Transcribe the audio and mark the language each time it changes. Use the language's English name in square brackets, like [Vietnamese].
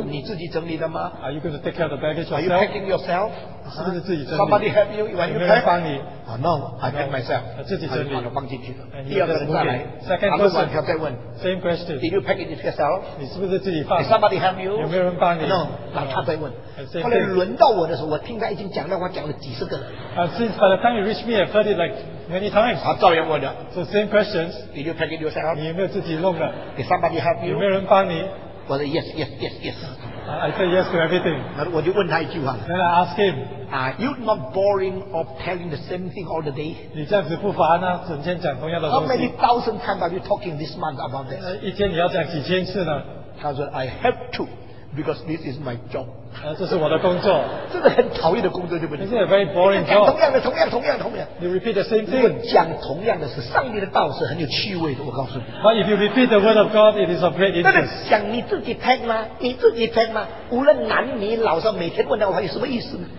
[English] Are you going to take care of the baggage yourself? Are you packing yourself? Somebody help you? You want to pack? No, I pack myself. Second person, same question. Did you pack it yourself? Did somebody help you? [Chinese] 有没有人帮你? [English] No, no. [Chinese] 后来轮到我的时候，我听他已经讲了，我讲了几十个了。 [English] Since by the time you reach me, I've heard it like many times. [Chinese] 他照样问的。 [English] So same questions. Did you pack it yourself? [Chinese] 你有没有自己弄的？ [English] Did somebody help you? [Chinese] 有没有人帮你？我说 yes. [English] I said yes to everything. [Chinese] 那我就问他一句话。 [English] Then I ask him. Are you not boring of telling the same thing all the day? [Chinese] 你这样子不烦啊, 整天讲同样的东西。 [English] How many thousand times are you talking this month about this? [Chinese] 一天你要讲几千次呢？他说 [English] I have to. Because this is my job. [Chinese] 这是我的工作。这是很讨厌的工作，对不对？ [English] This is a very boring job. [Chinese] 同样的。 [English] You repeat the same thing. [Chinese] 如果讲同样的是, 上帝的道是很有趣味的, 我告诉你。 [English] But if you repeat the word of God, it is of great interest. [Chinese] 那你想你自己pack吗? 你自己pack吗? 无论男女老少, 每天问到我有什么意思呢?